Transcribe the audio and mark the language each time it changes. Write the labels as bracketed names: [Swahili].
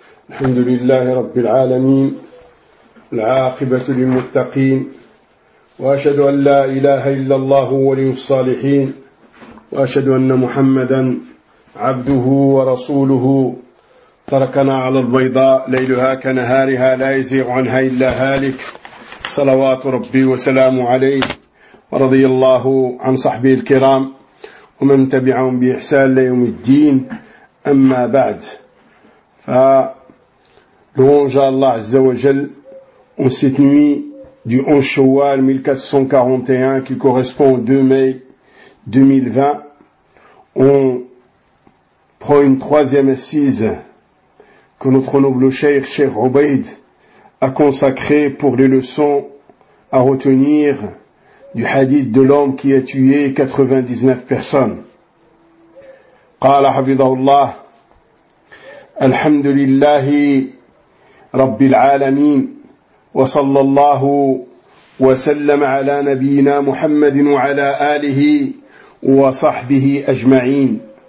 [Arabic] الحمد لله رب العالمين، العاقبة للمتقين، وأشهد أن لا إله إلا الله ولي الصالحين، وأشهد أن محمدا عبده ورسوله. تركنا على البيضاء ليلها كنهارها لا يزيغ عنها إلا هالك، صلوات ربي وسلامه عليه ورضي الله عن صحبه الكرام ومن تبعهم بإحسان ليوم الدين، أما بعد، فلونجا الله عز وجل [French] en cette nuit du 11 Shawwal 1441 qui correspond au 2 mai 2020, on prend une troisième assise que notre noble cheikh, Cheikh Obeid, a consacrée pour les leçons à retenir du hadith de l'homme qui a tué 99 personnes. [Arabic] قال حفظه الله الحمد لله رب العالمين وصلى الله وسلم على نبينا محمد وعلى آله وصحبه أجمعين.